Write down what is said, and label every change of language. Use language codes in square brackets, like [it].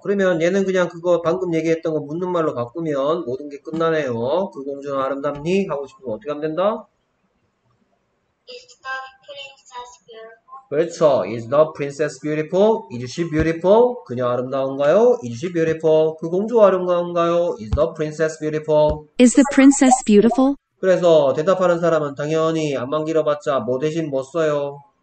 [ko] 그러면 얘는 그냥 그거 방금 얘기했던 거 묻는 말로 바꾸면 모든 게 끝나네요. 그 공주는 아름답니? 하고 싶으면 어떻게 하면 된다? [en] Is the princess beautiful? [ko] 그렇죠. [en] Is the princess beautiful? Is she beautiful? [ko] 그녀 아름다운가요? [en] Is she beautiful? [ko] 그 공주 아름다운가요? [en] Is the princess beautiful? Is the princess beautiful? [ko] 그래서 대답하는 사람은 당연히 안만 길어봤자 뭐 대신 뭐 써요?